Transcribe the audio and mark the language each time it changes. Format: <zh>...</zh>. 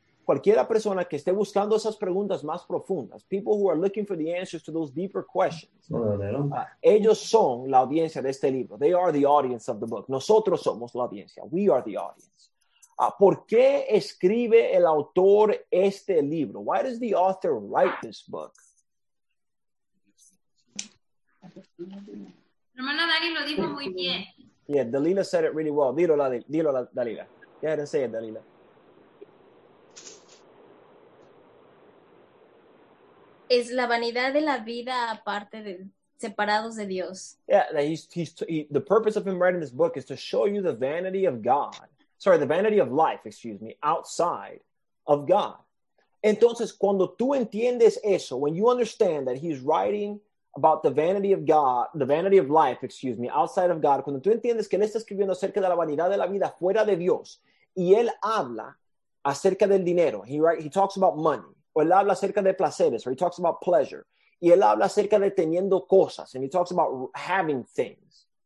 <es>Cualquiera persona que esté buscando esas preguntas más profundas.</es> <en>People who are looking for the answers to those deeper questions.</en> <es>Ellos son la audiencia de este libro.</es> <en>They are the audience of the book.</en> <es>Nosotros somos la audiencia.</es> <en>We are the audience.</en> <es>¿Por qué escribe el autor este libro?</es> <en>Why does the author write this book?</en> <es>Hermana Dalila lo dijo muy bien.</es> <en>Yeah, Dalila said it really well.</en> <es>Dilo, Dalila.</es> <en>Go ahead and say it, Dalila.</en> <es>Es la vanidad de la vida aparte de separados de Dios.</es> <en>Yeah, the purpose of him writing this book is to show you the vanity of God. Sorry, the vanity of life, excuse me, outside of God.</en> <es>Entonces, cuando tú entiendes eso,</es> <en>when you understand that he's writing about the vanity of God,</en> <es>the vanity of life, excuse me, outside of God, cuando tú entiendes que él está escribiendo acerca de la vanidad de la vida fuera de Dios, y él habla acerca del dinero,</es> <en>he talks about money,</en> <es>o él habla acerca de placeres,</es> <en>or he talks about pleasure,</en> <es>y él habla acerca de teniendo cosas,</es> <en>and he talks about having things.</en>